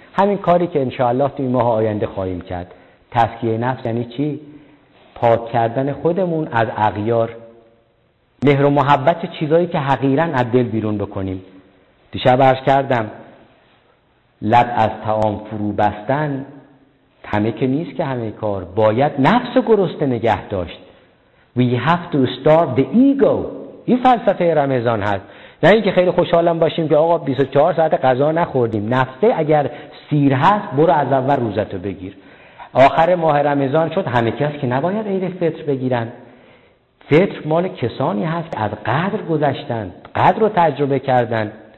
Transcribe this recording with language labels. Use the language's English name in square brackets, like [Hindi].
[Persian] همین کاری که انشاءالله توی ماه آینده خواهیم کرد. تزکیه نفس یعنی چی؟ پاک کردن خودمون از اغیار، مهر و محبت چیزایی که حقیرن از دل بیرون بکنیم. دیشب عرض کردم لب از طعام فرو بستن همه که نیست، که همه کار باید نفس و گرسنه نگه داشت. [English] We have to starve the ego. [Persian] این فلسفه رمضان هست، نه اینکه خیلی خوشحالم باشیم که آقا 24 ساعت غذا نخوردیم. نفسه اگر سیر هست برو از اول روزتو بگیر. آخر ماه رمضان شد، همه کس که نباید عید فطر بگیرن. فطر مال کسانی هست از قدر گذشتن، قدر رو تجربه کردن.